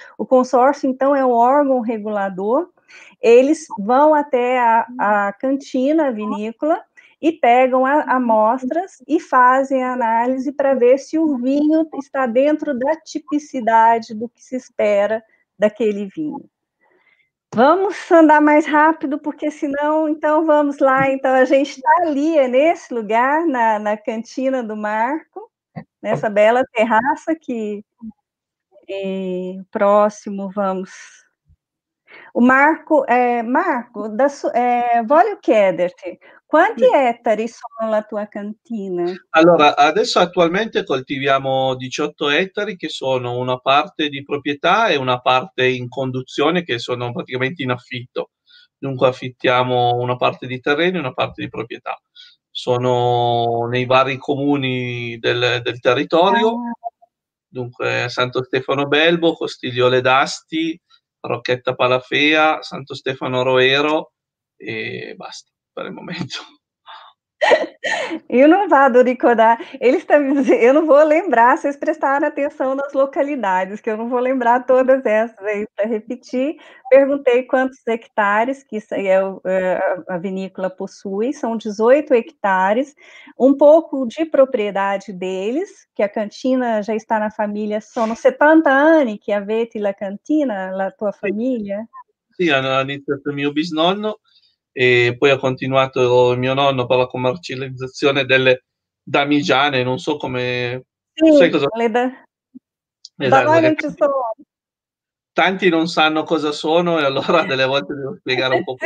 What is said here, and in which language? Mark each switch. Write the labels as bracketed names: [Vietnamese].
[Portuguese] O consórcio, então, é o órgão regulador. Eles vão até a cantina, a vinícola, e pegam amostras e fazem a análise para ver se o vinho está dentro da tipicidade do que se espera daquele vinho. Vamos andar mais rápido, porque senão, então vamos lá. Então a gente está ali, é nesse lugar, na cantina do Marco, nessa bela terraça que próximo, vamos. [Italian] O Marco, Marco, voglio chiederti, quanti ettari sono la tua cantina? Allora, adesso attualmente coltiviamo 18 ettari che sono una parte di proprietà e una parte in conduzione che sono praticamente in affitto. Dunque affittiamo una parte di terreno e una parte di proprietà. Sono nei vari comuni del territorio, dunque Santo Stefano Belbo, Costigliole d'Asti, Rocchetta Palafea, Santo Stefano Roero e basta per il momento. [Portuguese] Eu não vado recordar, eles estão me dizendo, eu não vou lembrar, vocês prestaram atenção nas localidades, que eu não vou lembrar todas essas aí, para repetir, perguntei quantos hectares que isso aí a vinícola possui, são 18 hectares, um pouco de propriedade deles, que a cantina já está na família, [Italian] sono 70 anni che avete la cantina, la tua famiglia? Sì, ha iniziato il mio bisnonno e poi ha continuato il mio nonno per la commercializzazione delle damigiane, non so come, Sì, sai cosa? le da Banalmente sono. Tanti non sanno cosa sono, e allora delle volte devo spiegare un po' più.